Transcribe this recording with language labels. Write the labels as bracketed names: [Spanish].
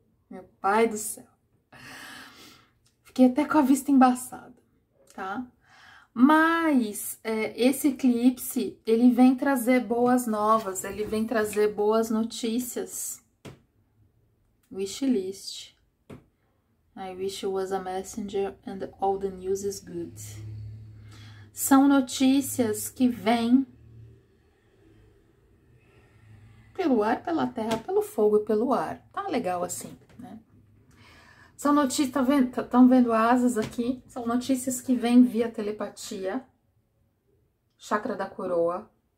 [Portuguese] Meu pai do céu. Fiquei até com a vista embaçada, tá? Mas esse eclipse, ele vem trazer boas novas. Ele vem trazer boas notícias. [English] Wishlist. I wish you was a messenger and all the news is good. [Portuguese] São notícias que vêm pelo ar, pela terra, pelo fogo e pelo ar. Tá legal assim, né? São notícias, tá vendo? Tão vendo asas aqui? São notícias que vêm via telepatia, chakra da coroa,